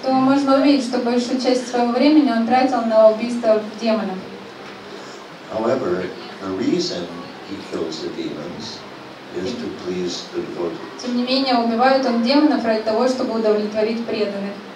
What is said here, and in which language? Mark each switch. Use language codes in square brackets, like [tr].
[ru] То можно увидеть, что большую часть своего времени он тратил на убийство демонов. [en] However, the reason he kills the demons is to please the devotees. [ru] Тем не менее, убивает он демонов ради того, чтобы удовлетворить преданных.